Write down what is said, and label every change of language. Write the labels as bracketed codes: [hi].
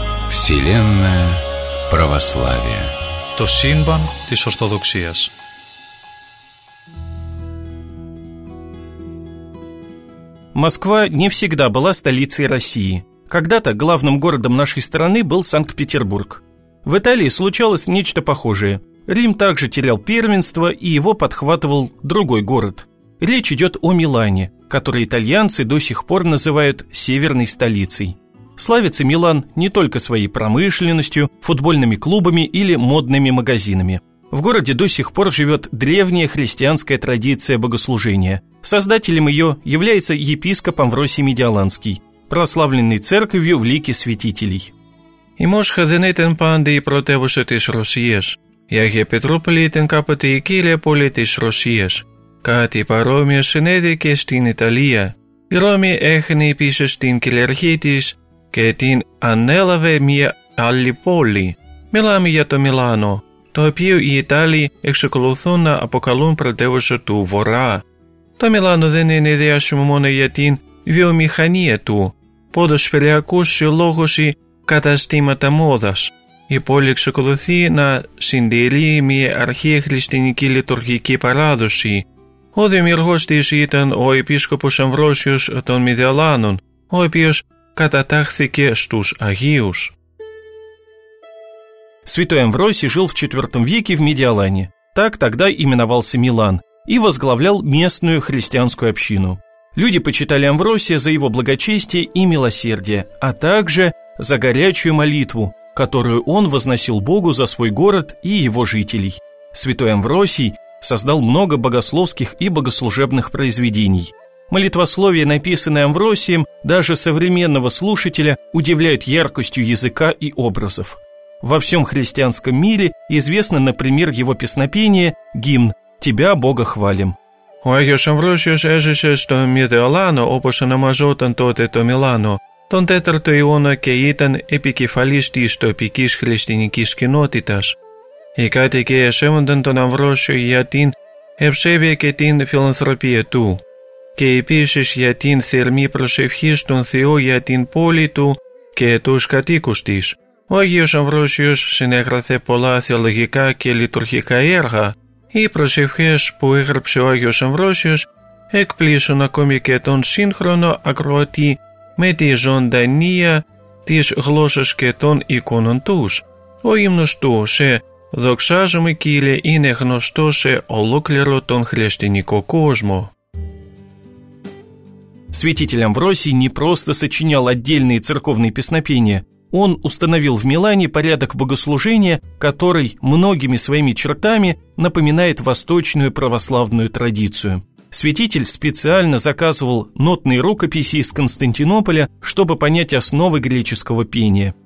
[ru] Вселенная православия. [el] Το σύμπαν της Ορθοδοξίας. [ru] Москва не всегда была столицей России. Когда-то главным городом нашей страны был Санкт-Петербург. В Италии случалось нечто похожее. Рим также терял первенство, и его подхватывал другой город. Речь идет о Милане, который итальянцы до сих пор называют «северной столицей». Славится Милан не только своей промышленностью, футбольными клубами или модными магазинами. В городе до сих пор живет древняя христианская традиция богослужения. Создателем ее является епископ Амвросий Медиоланский, прославленный церковью в лике святителей. [el] Η Μόσχα δεν ήταν πάντα η πρωτεύουσα της Ρωσίας. Η Άγια Πετρούπολη ήταν κάποτε η κύρια πόλη της Ρωσίας. Κάτι παρόμοιο συνέβη και στην Ιταλία. Η Ρώμη έχνει πίσω στην κυριαρχία της και την ανέλαβε μια άλλη πόλη. Μιλάμε για το Μιλάνο, το οποίο οι Ιταλοί εξακολουθούν να αποκαλούν πρωτεύουσα του Βορρά. Το Μιλάνο δεν είναι διάσημο μόνο για την βιομηχανία του, ποδοσφαιριακούς συλλόγους ή καταστήματα μόδας. η πόλη εξακολουθεί να συντηρεί μια αρχαία χριστιανική λειτουργική παράδοση. Ο δημιουργός της ήταν ο επίσκοπος Αμβρόσιος των Μιδελάνων, ο οποίος κατατάχθηκε στους Αγίους. [ru] Святой Амвросий жил в IV веке в Медиолане, так тогда именовался Милан, и возглавлял местную христианскую общину. Люди почитали Амвросия за его благочестие и милосердие, а также за горячую молитву, которую он возносил Богу за свой город и его жителей. Святой Амвросий создал много богословских и богослужебных произведений. Молитвословие, написанное Амвросием, даже современного слушателя удивляет яркостью языка и образов. Во всем христианском мире известно, например, его песнопение «Гимн «Тебя, Бога, хвалим». [el] Ο Άγιος Αμβρόσιος έζησε στο Μιδεολάνο, όπως ονομαζόταν τότε το Μιλάνο, τον 4ο αιώνα και ήταν επικεφαλής της τοπικής χριστιανικής κοινότητας. Οι κάτοικοι σέβονταν τον Αμβρόσιο για την ευσέβεια και την φιλανθρωπία του και επίσης για την θερμή προσευχή στον Θεό για την πόλη του και τους κατοίκους της. Ο Άγιος Αμβρόσιος συνέγραφε πολλά θεολογικά και λειτουργικά έργα. Οι προσευχές που έγραψε ο Άγιος Αμβρόσιος εκπλήσουν ακόμη και τον σύγχρονο ακροατή με τη ζωντανία της γλώσσας και των εικόνων τους. Ο ύμνος του «Σε δοξάζομαι Κύριε» είναι γνωστό σε ολόκληρο τον χριστιανικό κόσμο. [ru] Святитель Амвросий не просто сочинял отдельные церковные песнопения. Он установил в Милане порядок богослужения, который многими своими чертами напоминает восточную православную традицию. Святитель специально заказывал нотные рукописи из Константинополя, чтобы понять основы греческого пения.